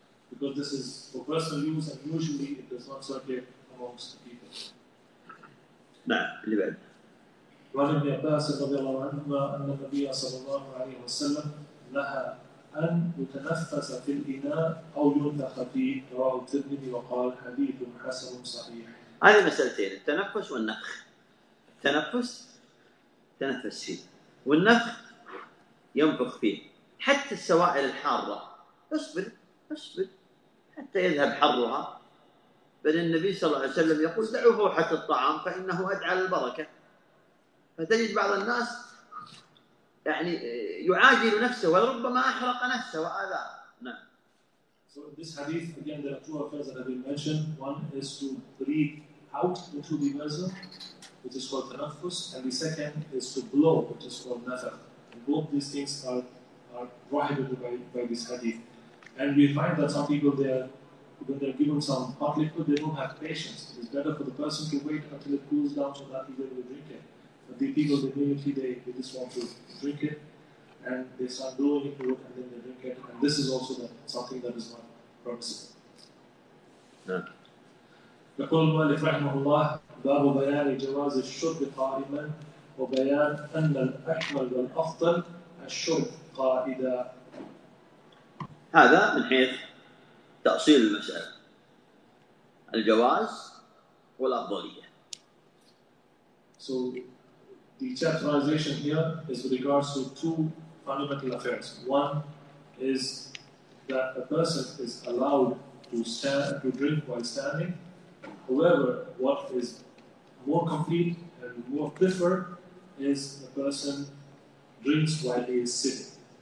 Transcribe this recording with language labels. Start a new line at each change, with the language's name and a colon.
English: Because this is for personal use, and usually it does not circulate amongst the people.
Arabic: نعم. ابن عباس رضي الله عنهما أن النبي صلى الله عليه وسلم نهى أن يتنفس في الإناء أو ينفخ فيه، رواه الترمذي وقال حديث حسن صحيح. هذه مسألتين، التنفس والنفخ. التنفس تنفس فيه، والنفخ ينفخ فيه. حتى السوائل الحارة اصبر حتى يذهب حرها، بل النبي صلى الله عليه وسلم يقول دعوا فوحة الطعام فإنه أدعى للبركة. فتجد بعض الناس يعني يعاجل نفسه وربما أحرق نفسه وآذاه. نعم.
English: So in this hadith again there are two affairs that have been mentioned. One is to breathe out into the vessel, which is called tanaffus, and the second is to blow, which is called nafakh. Both these things are prohibited by this hadith. And we find that some people, when they're given some hot liquid, they don't have patience. It's better for the person to wait until it cools down so that he's able to drink it. But the people, immediately they just want to drink it, and they start blowing into it, and then they drink it. And this is also something that is not permissible.
Arabic: يقول المؤلف رحمه الله باب بيان جواز الشرب قائما وبيان أن الأحمل والأفضل الشرب قائدا. هذا من حيث تأصيل المسألة، الجواز والأفضلية.
English: So the chapterization here is with regards to two fundamental affairs. One is that a person is allowed to stand to drink while standing. However, what is more complete and more clearer is a person drinks while he is sitting.